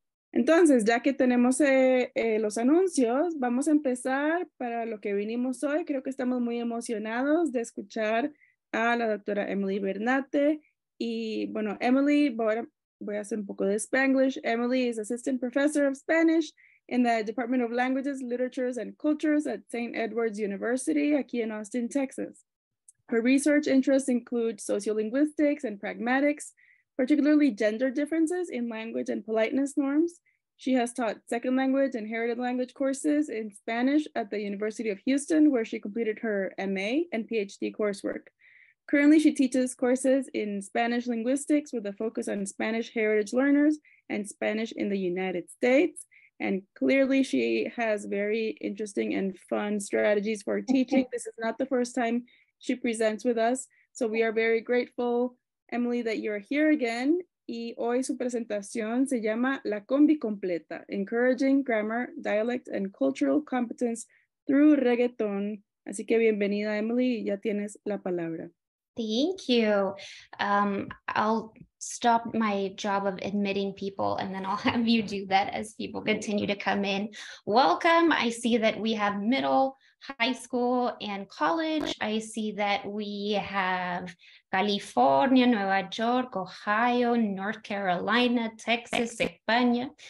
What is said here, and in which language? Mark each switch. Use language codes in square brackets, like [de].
[es] Entonces, ya que tenemos los anuncios, vamos a empezar para lo que vinimos hoy. Creo que estamos muy emocionados de escuchar a la doctora Emily Bernate. Y bueno, Emily, voy a hacer un poco de Spanglish. [en] Emily is Assistant Professor of Spanish in the Department of Languages, Literatures and Cultures at St. Edward's University, [es] aquí en [en] Austin, Texas. Her research interests include sociolinguistics and pragmatics, particularly gender differences in language and politeness norms. She has taught second language and heritage language courses in Spanish at the University of Houston, where she completed her MA and PhD coursework. Currently, she teaches courses in Spanish linguistics with a focus on Spanish heritage learners and Spanish in the United States. And clearly she has very interesting and fun strategies for teaching. This is not the first time she presents with us. So we are very grateful, Emily, that you're here again. [es] Y hoy su presentación se llama La Combi Completa, [en] Encouraging Grammar, Dialect, and Cultural Competence Through Reggaeton. [es] Así que bienvenida, Emily, ya tienes la palabra. [en] Thank you. I'll stop my job of admitting people and then I'll have you do that as people continue to come in. Welcome. I see that we have middle, high school, and college. I see that we have California, Nueva York, Ohio, North Carolina, Texas, España.